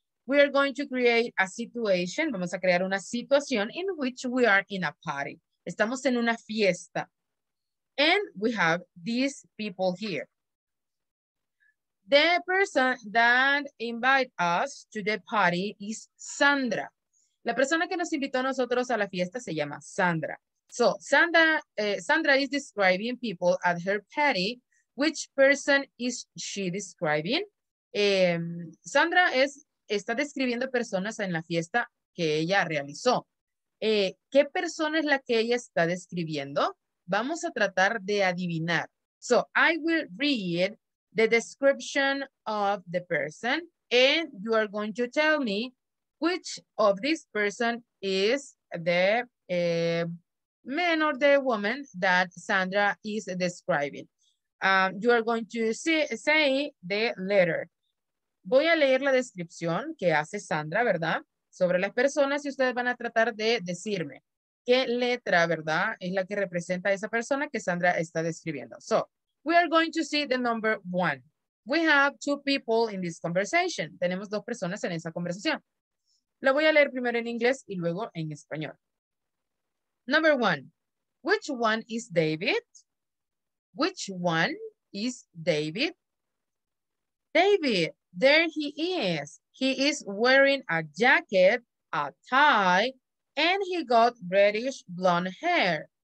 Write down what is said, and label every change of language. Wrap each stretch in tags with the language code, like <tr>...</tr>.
<en>We are going to create a situation.</en> <es>Vamos a crear una situación</es> <en>in which we are in a party.</en> <es>Estamos en una fiesta.</es> <en>And we have these people here. The person that invited us to the party is Sandra.</en> <es>La persona que nos invitó a nosotros a la fiesta se llama Sandra.</es> <en>So, Sandra is describing people at her party. Which person is she describing?</en> <es>Sandra está describiendo personas en la fiesta que ella realizó. ¿Qué persona es la que ella está describiendo? Vamos a tratar de adivinar.</es> <en>So, I will read the description of the person and you are going to tell me which of this person is the man or the woman that Sandra is describing. You are going to say the letter.</en> <es>Voy a leer la descripción que hace Sandra, ¿verdad? Sobre las personas y ustedes van a tratar de decirme qué letra, ¿verdad? Es la que representa a esa persona que Sandra está describiendo.</es> <en>So, we are going to see the number 1. We have 2 people in this conversation.</en> <es>Tenemos 2 personas en esa conversación. La voy a leer primero en inglés y luego en español.</es> <en>Number 1. Which one is David? Which one is David? David, there he is. He is wearing a jacket, a tie, and he got reddish blonde hair.</en>